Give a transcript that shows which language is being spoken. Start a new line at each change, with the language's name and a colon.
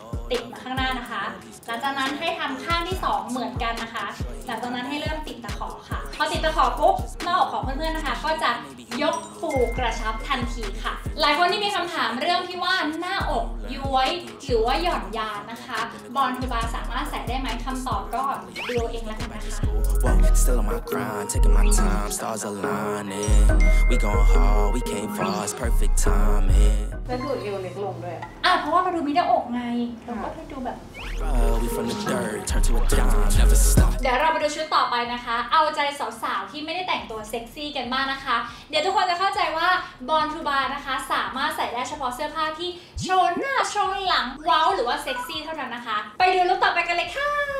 Thai: ติดมาข้างหน้านะคะหลังจากนั้นให้ทำข้างที่2เหมือนกันนะคะหลังจากนั้นให้เริ่มติดตะขอค่ะพอติดตะขอปุ๊บหน้าอกของเพื่อนๆนะคะก็จะยกฟูกระชับทันทีค่ะหลายคนที่มีคำถามเรื่องที่ว่าหน้าอกย้วยหรือว่าหย่อนยานนะคะบอนทูบาสามารถใส่ได้ไหมคำตอบก็ดูเองละกันนะคะ
English: Still on my grind, taking my time, stars aligning. We going hard, we came far, it's perfect timing.
Thai: แล้วดูเอวเล็กลงด้วย อ่ะเพราะว่ามาดูมีหน้าอกไงเราก็ให้ดูแบบ
English: We from the dirt, turn to a dime, never stop.
Thai: เดี๋ยวเราไปดูชุดต่อไปนะคะเอาใจสาวๆที่ไม่ได้แต่งตัวเซ็กซี่กันมากนะคะเดี๋ยวทุกคนจะเข้าใจว่าบอนทูบาร์นะคะสามารถใส่ได้เฉพาะเสื้อผ้าที่โชว์หน้าโชว์หลังว้าวหรือว่าเซ็กซี่เท่านั้นนะคะไปดูลุคต่อไปกันเลยค่ะ